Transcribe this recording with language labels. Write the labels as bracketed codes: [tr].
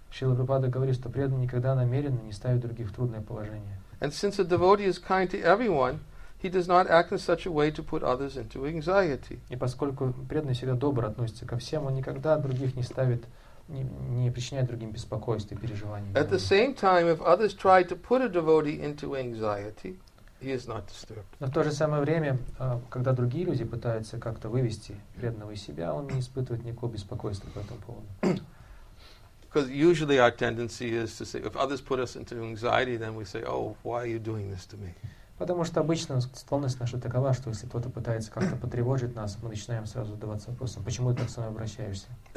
[ru] Шрила Прабхупада говорит, что преданный никогда намеренно не ставит других в трудное положение. [en] And since a devotee is kind to everyone, he does not act in such a way to put others into anxiety. [ru] И поскольку преданный всегда добро относится ко всем, он никогда других не ставит, не причиняет другим беспокойств и переживаний. [en] At the same time, if others try to put a devotee into anxiety, he is not disturbed. [ru] Но в то же самое время, когда другие люди пытаются как-то вывести преданного из себя, он не испытывает никакого беспокойства по этому поводу. [en] Because usually our tendency is to say, if others put us into anxiety, then we say, oh, why are you doing this to me? [ru] Потому что обычно склонность наша такова, что если кто-то пытается как-то потревожить нас, мы начинаем сразу задаваться вопросом, почему ты так со мной обращаешься?